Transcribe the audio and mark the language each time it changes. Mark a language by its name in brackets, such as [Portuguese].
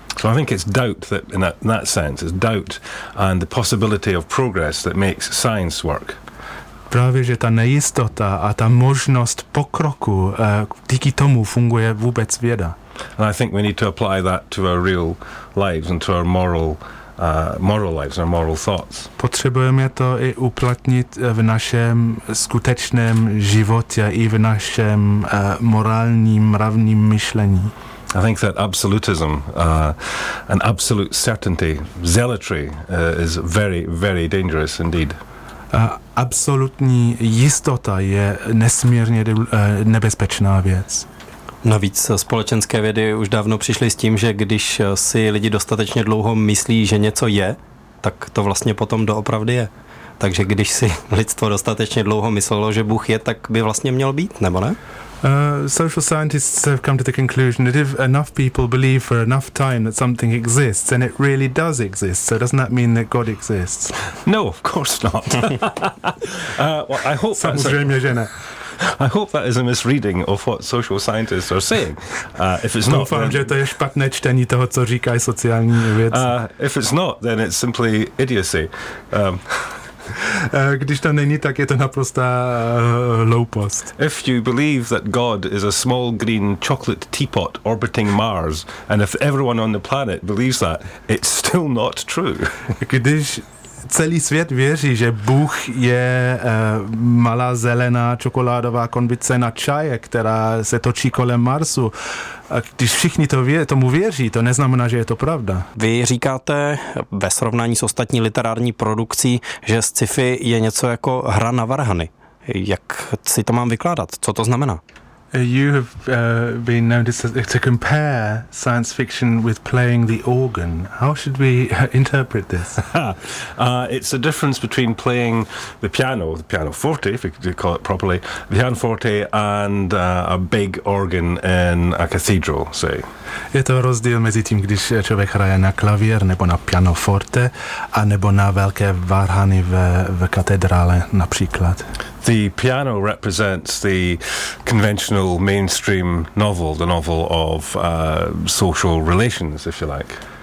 [English] So I think it's doubt that in that sense, it's doubt and the possibility of progress that makes science work. [Czech] Právě, že ta nejistota a ta možnost pokroku, díky tomu funguje vůbec věda. [English] And I think we need to apply that to our real lives and to our moral lives, our moral thoughts. [Czech] Potřebujeme to i uplatnit v našem skutečném životě i v našem morálním mravním myšlení. [English] I think that absolutism, an absolute certainty, zealotry, is very, very dangerous indeed. [Czech] Absolutní jistota je nesmírně nebezpečná věc. Navíc společenské vědy už dávno přišly s tím, že když si lidi dostatečně dlouho myslí, že něco je, tak to vlastně potom doopravdy je. Takže když si lidstvo dostatečně dlouho myslelo, že Bůh je, tak by vlastně měl být, nebo ne? [English] Social scientists have come to the conclusion that if enough people believe for enough time that something exists, then it really does exist. So doesn't that mean that God exists? No, of course not. I hope that is a misreading of what social scientists are saying. If it's not, [Czech] že to je špatné čtení toho, co říkají sociální vědci. [English] If it's not, then it's simply idiocy. [Czech] Když to není, tak je to naprostá loupost. [English] If you believe that God is a small green chocolate teapot orbiting Mars, and if everyone on the planet believes that, it's still not true. [Czech] Když celý svět věří, že Bůh je malá zelená čokoládová konvice na čaje, která se točí kolem Marsu. A když všichni tomu věří, to neznamená, že je to pravda. Vy říkáte ve srovnání s ostatní literární produkcí, že sci-fi je něco jako hra na varhany. Jak si to mám vykládat? Co to znamená? [English] You have been known to compare science fiction with playing the organ. How should we interpret this? It's a difference between playing the pianoforte, if you could call it properly, the pianoforte and a big organ in a cathedral, say. [Czech] Je to rozdíl mezi tím, když člověk hraje na klavír nebo na pianoforte a nebo na velké varhany v katedrále například. [English] The piano represents the conventional mainstream novel, the novel of social relations, if you like.